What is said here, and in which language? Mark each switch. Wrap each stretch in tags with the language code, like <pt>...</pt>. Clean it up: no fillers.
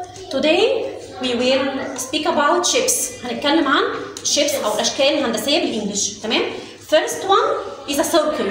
<en>Today we will speak about shapes.</en> <ar>هنتكلم عن shapes او اشكال هندسية بالانجلش. تمام؟</ar> <en>First one is a circle.</en>